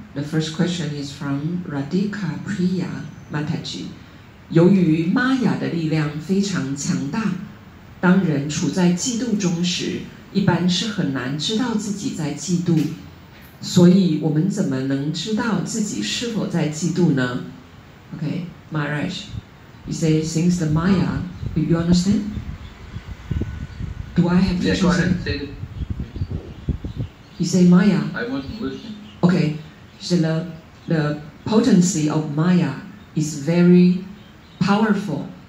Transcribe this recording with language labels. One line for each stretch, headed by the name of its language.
English: The first question is from Radhika Priya Mataji.
Chinese: 由于玛雅的力量非常强大，当人处在嫉妒中时，一般是很难知道自己在嫉妒，所以我们怎么能知道自己是否在嫉妒呢？
English: OK, Maharaj, you say, since the Maya, do you understand? Do I have to choose? You say Maya? I want to listen. OK, so the potency of Maya is very powerful.